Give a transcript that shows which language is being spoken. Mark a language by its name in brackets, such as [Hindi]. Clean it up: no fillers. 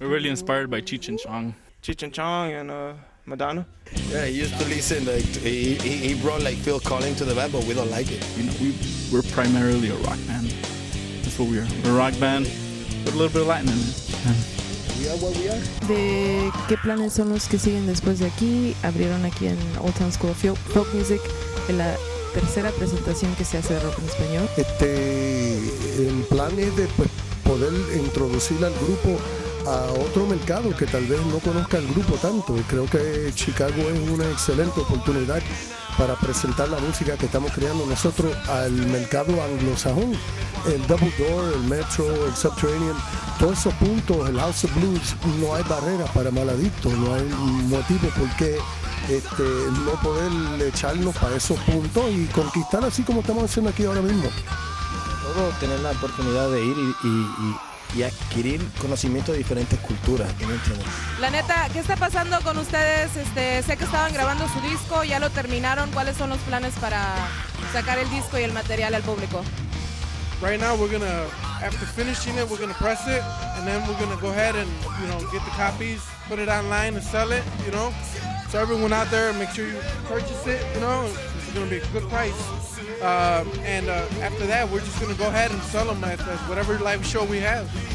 [English] We're really inspired by Cheech and Chong. Cheech and Chong and Madonna. Yeah, he used to listen, like, he brought like Phil Collins to the band, but we don't like it. You know, we're primarily a rock band. That's what we are. We're a rock band with a little bit of Latin in it. We are. [Spanish] ¿De qué planes son los que siguen después de aquí? Abrieron aquí en Old Town School of Folk Music en la tercera presentación que se hace de rock en español. El plan es de poder introducir al grupo a otro mercado que tal vez no conozca el grupo tanto. Creo que Chicago es una excelente oportunidad para presentar la música que estamos creando nosotros al mercado anglosajón. El Double Door, el Metro, el Subterranean, todos esos puntos, el House of Blues, no hay barrera para Maladicto, no hay motivo por qué no poder echarnos para esos puntos y conquistar así como estamos haciendo aquí ahora mismo. Todo tener la oportunidad de ir y adquirir conocimiento de diferentes culturas. La neta, ¿qué está pasando con ustedes? Sé que estaban grabando su disco, ya lo terminaron. ¿Cuáles son los planes para sacar el disco y el material al público? [English] Right now we're gonna, after finishing it, we're gonna press it, and then we're gonna go ahead and, you know, get the copies, put it online and sell it, you know. So everyone out there, make sure you purchase it, you know. It's gonna be a good price. After that, we're just gonna go ahead and sell them at whatever live show we have.